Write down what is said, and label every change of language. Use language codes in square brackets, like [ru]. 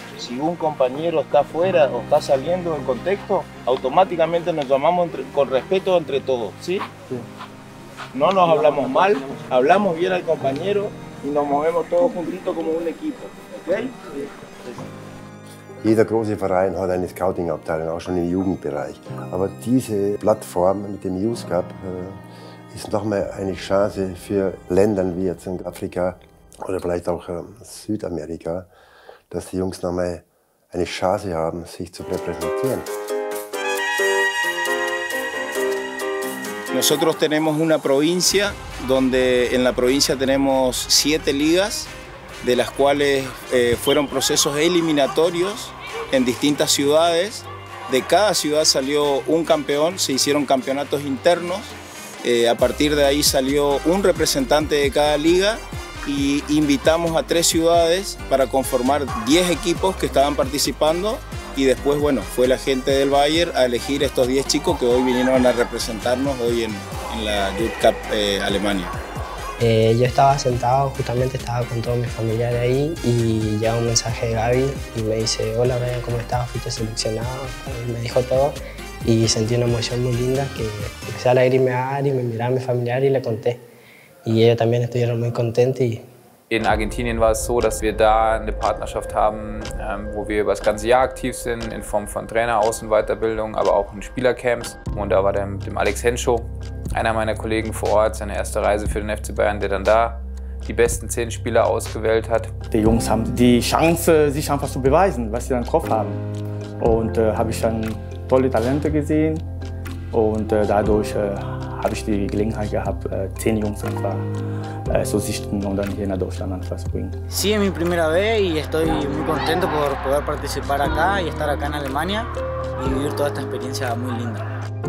[es] Si un compañero está fuera o está saliendo del contexto, automáticamente nos llamamos con respeto entre todos, ¿sí? Sí. No nos hablamos mal, hablamos bien al compañero. Y nos movemos todos juntitos como un equipo, ¿okay? [de] Jeder große Verein hat eine Scouting-Abteilung, auch schon im Jugendbereich. Aber diese Plattform mit dem Youth Cup ist nochmal eine Chance für Länder wie jetzt in Afrika oder vielleicht auch Südamerika, dass die Jungs nochmal eine Chance haben, sich zu repräsentieren. [es] Nosotros tenemos una provincia donde en la provincia tenemos 7 ligas, de las cuales fueron procesos eliminatorios en distintas ciudades. De cada ciudad salió un campeón, se hicieron campeonatos internos. A partir de ahí salió un representante de cada liga y invitamos a 3 ciudades para conformar 10 equipos que estaban participando. Y después, bueno, fue la gente del Bayern a elegir estos 10 chicos que hoy vinieron a representarnos hoy en la Youth Cup Alemania. Yo estaba sentado, justamente estaba con todos mis familiares ahí y llega un mensaje de Gaby y me dice, hola, Brian, ¿cómo estás? Fuiste seleccionado. Y me dijo todo y sentí una emoción muy linda que empecé a lagrimear y me miraba a mi familiar y le conté. Y ellos también estuvieron muy contentos y... [de] In Argentinien war es so, dass wir da eine Partnerschaft haben, wo wir über das ganze Jahr aktiv sind, in Form von Trainer, Außenweiterbildung, aber auch in Spielercamps. Und da war dann dem Alex Henschow, einer meiner Kollegen vor Ort, seine erste Reise für den FC Bayern, der dann da die besten 10 Spieler ausgewählt hat. Die Jungs haben die Chance, sich einfach zu beweisen, was sie dann drauf haben. Und habe ich dann tolle Talente gesehen und dadurch habe ich die Gelegenheit gehabt, 10 Jungs einfach zu sichten und dann hier nach Deutschland etwas zu bringen. [es] Sí, es mi primera vez y estoy muy contento por poder participar acá y estar acá en Alemania y vivir toda esta experiencia muy linda.